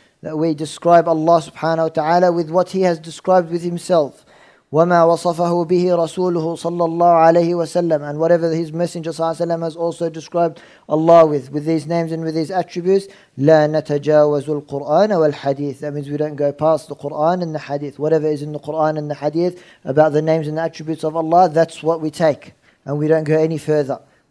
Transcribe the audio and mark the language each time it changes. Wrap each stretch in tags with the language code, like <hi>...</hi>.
<en>That we describe Allah subhanahu wa ta'ala with what He has described with Himself.</en> <ar>وما وصفه به رسوله صلى الله عليه وسلم.</ar> <en>And whatever His Messenger صلى الله عليه وسلم has also described Allah with these names and with these attributes.</en> <ar>لا نتجاوز القرآن والحديث.</ar> <en>That means we don't go past the Quran and the Hadith. Whatever is in the Quran and the Hadith about the names and the attributes of Allah, that's what we take. And we don't go any further.</en>